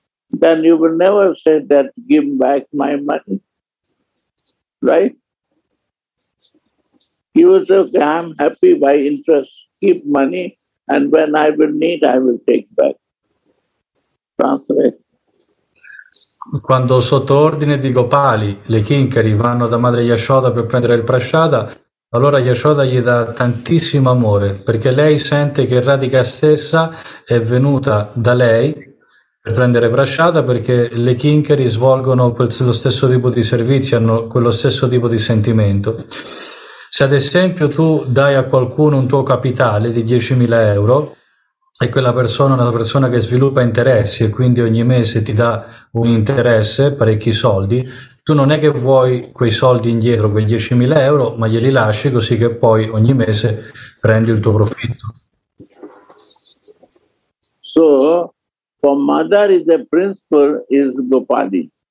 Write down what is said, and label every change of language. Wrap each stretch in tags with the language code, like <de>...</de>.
<en>Then you will never say that, give back my money. Right? You will say, okay, I'm happy by interest. Keep money, and when I will need, I will take back. Translate.</en> <it>Quando sotto ordine di Gopali le Kinkari vanno da madre Yashoda per prendere il prasciada, allora Yashoda gli dà tantissimo amore, perché lei sente che Radhika stessa è venuta da lei per prendere prasciada, perché le Kinkari svolgono lo stesso tipo di servizio, hanno quello stesso tipo di sentimento. Se ad esempio tu dai a qualcuno un tuo capitale di 10.000 euro e quella persona è una persona che sviluppa interessi e quindi ogni mese ti dà un interesse, parecchi soldi, tu non è che vuoi quei soldi indietro, quei 10.000 euro, ma glieli lasci così che poi ogni mese prendi il tuo profitto.</it> <en>So, for mother is the principal is Gopali.</en>